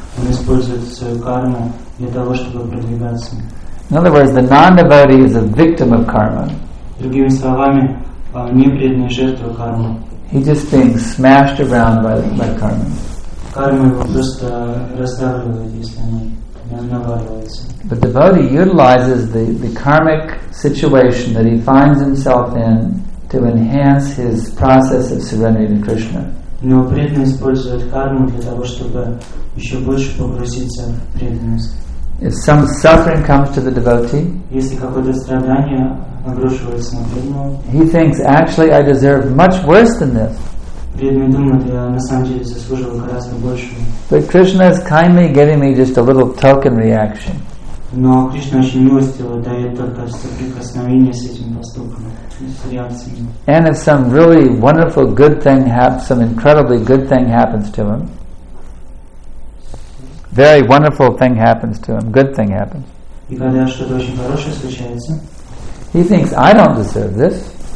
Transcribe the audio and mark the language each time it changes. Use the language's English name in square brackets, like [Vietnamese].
[Russian] Он использует свою карму для того, чтобы продвигаться. [English] In other words, the non-devotee is a victim of karma. [Russian] Другими словами, непреданный жертва кармы. [English] He just being smashed around by karma. [Russian] Карма его просто раздавливает, если они не наваливаются. [English] But the devotee utilizes the karmic situation that he finds himself in to enhance his process of surrendering to Krishna. [Russian] Но преданный использует карму для того, чтобы еще больше погрузиться в преданность. [English] If some suffering comes to the devotee, [Russian] если какое-то страдание обрушивается на преданного, [English] he thinks, actually, I deserve much worse than this. [Russian] Преданный думает, я на самом деле заслуживаю гораздо большего. [English] But Krishna is kindly giving me just a little token reaction. [Russian] Но Кришна очень милостиво дает только соприкосновение с этим поступком. [English] And if some really wonderful good thing happens, some incredibly good thing happens to him, very wonderful thing happens to him, good thing happens, he thinks, I don't deserve this.